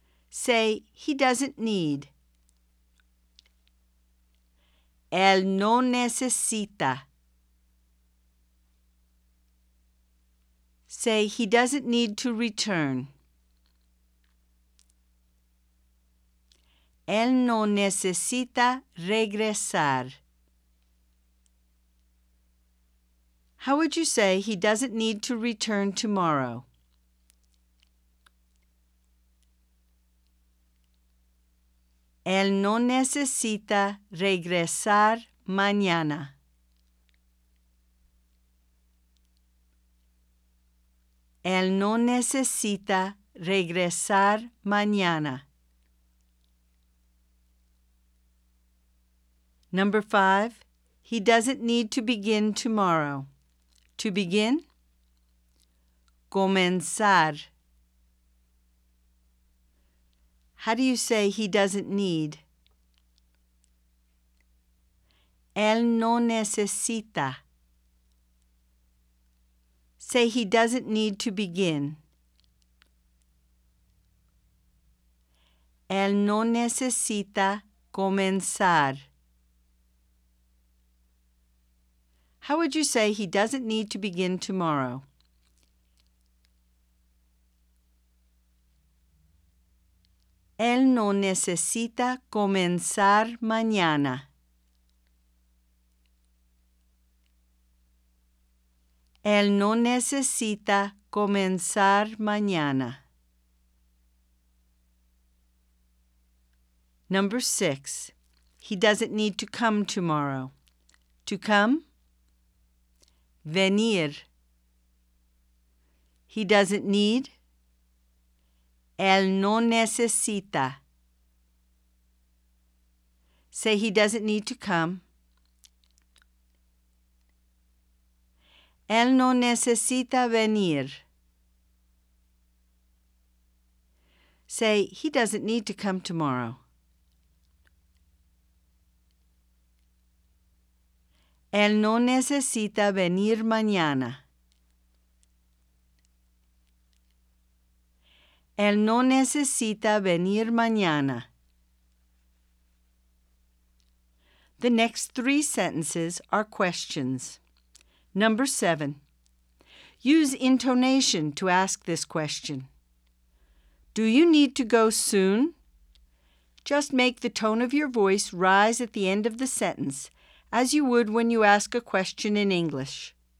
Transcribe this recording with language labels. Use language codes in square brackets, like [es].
[en] Say, he doesn't need. [es] Él no necesita. [en] Say, he doesn't need to return. [es] Él no necesita regresar. [en] How would you say he doesn't need to return tomorrow? [es] Él no necesita regresar mañana. Él no necesita regresar mañana. [en] Number 5, he doesn't need to begin tomorrow. To begin? [es] Comenzar. [en] How do you say he doesn't need? [es] Él no necesita. [en] Say he doesn't need to begin. [es] Él no necesita comenzar. [en] How would you say he doesn't need to begin tomorrow? [es] Él no necesita comenzar mañana. Él no necesita comenzar mañana. [en] Number 6. He doesn't need to come tomorrow. To come? Venir. He doesn't need? [es] Él no necesita. [en] Say he doesn't need to come. Él no necesita venir. Say he doesn't need to come tomorrow. Él no necesita venir mañana. Él no necesita venir mañana. The next 3 sentences are questions. Number 7. Use intonation to ask this question. Do you need to go soon? Just make the tone of your voice rise at the end of the sentence, as you would when you ask a question in English.